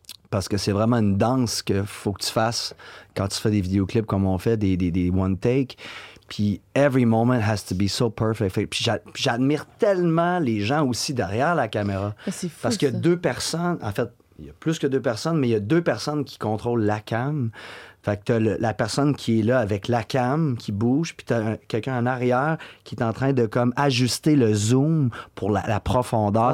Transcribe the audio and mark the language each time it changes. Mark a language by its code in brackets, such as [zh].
[fr] Parce que c'est vraiment une danse qu'il faut que tu fasses quand tu fais des vidéoclips comme on fait, des one take. [en] Puis every moment has to be so perfect. [fr] Puis j'admire tellement les gens aussi derrière la caméra. C'est fou, parce qu'il y a deux personnes, en fait. Il y a plus que deux personnes, mais il y a deux personnes qui contrôlent la cam. Fait que t'as la personne qui est là avec la cam, qui bouge, puis t'as quelqu'un en arrière qui est en train de comme ajuster le zoom pour la profondeur.